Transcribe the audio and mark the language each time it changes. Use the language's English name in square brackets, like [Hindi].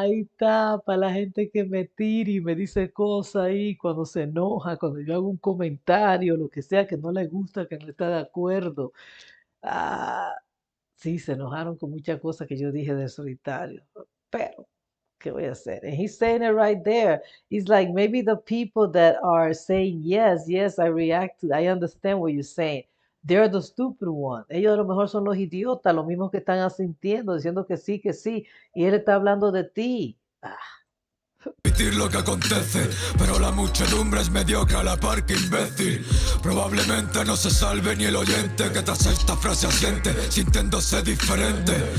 [Spanish] Ahí está, para la gente que me tira y me dice cosas ahí, cuando se enoja, cuando yo hago un comentario, lo que sea, que no le gusta, que no está de acuerdo. Ah, sí, se enojaron con muchas cosas que yo dije de solitario, pero. ¿Qué voy a hacer? [English] And he's saying it right there. He's like, maybe the people that are saying yes, I react to, I understand what you're saying. They're the stupid ones. [Spanish] Ellos a lo mejor son los idiotas, los mismos que están asintiendo, diciendo que sí, y él está hablando de ti. Ah. Lo que acontece, pero la muchedumbre es mediocre a la par que imbécil. Probablemente no se salve ni el oyente que tras esta frase asiente sintiéndose diferente.